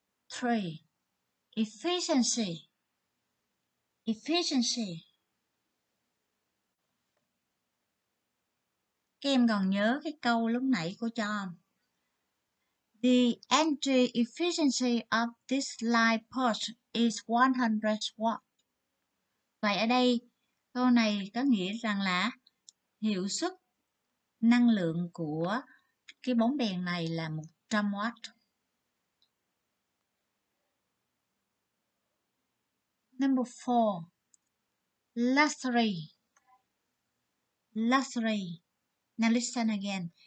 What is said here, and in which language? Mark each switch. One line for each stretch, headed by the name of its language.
English: 3. Efficiency. Efficiency.
Vietnamese: Các em còn nhớ cái câu lúc nãy cô cho không?
English: The energy efficiency of this light bulb is 100 watts.
Vietnamese: Vậy ở đây, câu này có nghĩa rằng là hiệu suất năng lượng của cái bóng đèn này là 100W.
English: Number 4. Luxury. Luxury. Now listen again.